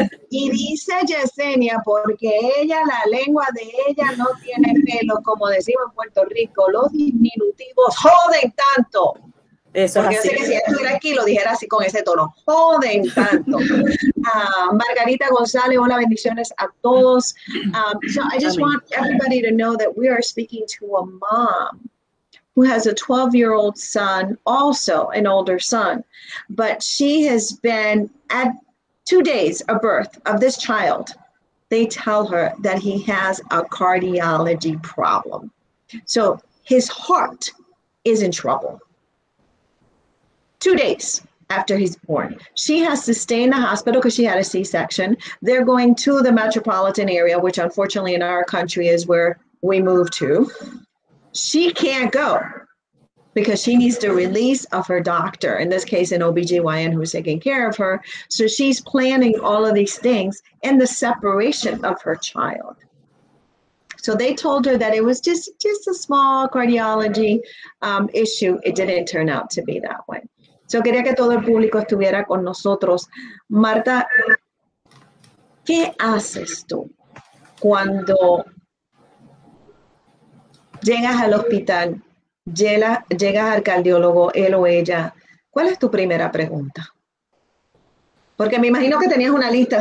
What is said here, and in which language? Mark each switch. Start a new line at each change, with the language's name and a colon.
Spanish: Y dice Yesenia, porque ella, la lengua de ella no tiene pelo, como decimos en Puerto Rico, los diminutivos joden tanto. Es Porque yo sé así. que si ella estuviera aquí lo dijera así con ese tono, joden tanto. Margarita González, hola, bendiciones a todos.
English: So I just
Spanish: Amén.
English: want everybody to know that we are speaking to a mom who has a 12-year-old son, also an older son, but she has been at 2 days of birth of this child. They tell her that he has a cardiology problem. So his heart is in trouble. 2 days after he's born, she has to stay in the hospital because she had a C-section. They're going to the metropolitan area, which unfortunately in our country is where we move to. She can't go because she needs the release of her doctor, in this case, an OBGYN who's taking care of her. So she's planning all of these things and the separation of her child. So they told her that it was just a small cardiology issue. It didn't turn out to be that way.
Spanish: Yo quería que todo el público estuviera con nosotros. Marta, ¿qué haces tú cuando Llegas al hospital, llegas al cardiólogo, él o ella. ¿Cuál es tu primera pregunta? Porque me imagino que tenías una lista.